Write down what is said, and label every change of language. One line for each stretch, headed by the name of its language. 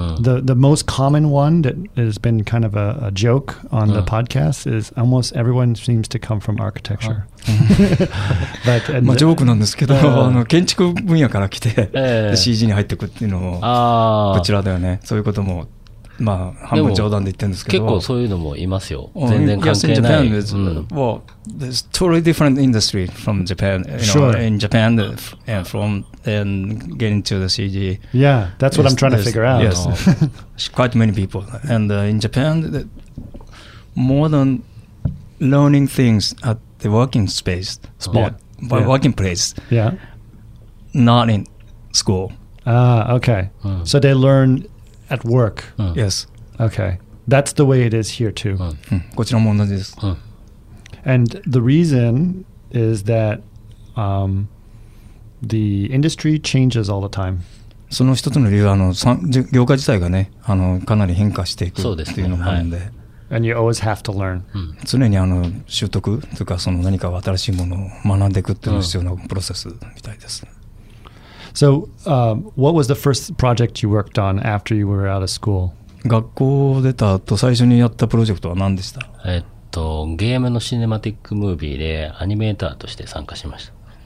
English: The most common one that has been kind of a joke on the podcast is almost everyone seems to come from architecture.
Japanese: But まあジョークなんですけど、建築分野から来て CG に入ってくっていうのもこちらだよね。そういうこともまあ、半分冗談で言ってるんですけど、結構そういうのもいますよ。全然関係ない。
English: Yes, in Japan, well, there's totally different industry from Japan. In Japan, and from and getting to the CG. Yeah, that's what I'm trying to figure out. Yes, quite many people. And in Japan, more than learning things at the working space, working place, not in school. Ah, okay. So they learn... At work. Yes. Okay. That's the way it is here too.
Japanese: こちらも同じです。
English: And the reason is that the industry changes all the time.
Japanese: その一つの理由は業界自体がね、かなり変化していくっていうのもあるんで。
English: And you always have to learn.
Japanese: 常に習得とか、その何か新しいものを学んでいくっていうのが必要なプロセスみたいです。
English: So, what was the first project you worked on after you were out of school?
Japanese: 学校出た後最初にやったプロジェクトは何でした？ゲームのシネマティックムービーでアニメーターとして参加しました。